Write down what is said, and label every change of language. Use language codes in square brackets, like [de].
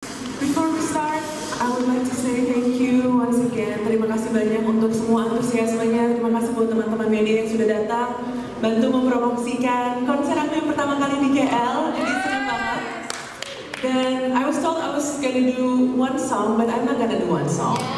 [en] would like to say thank you once again. [id] Terima kasih banyak untuk semua antusiasmenya. Terima kasih buat teman-teman media yang sudah datang bantu mempromosikan konser aku yang pertama kali di KL. Jadi senang banget. [en] Dan I was told I was gonna do one song, but I'm not gonna do one song.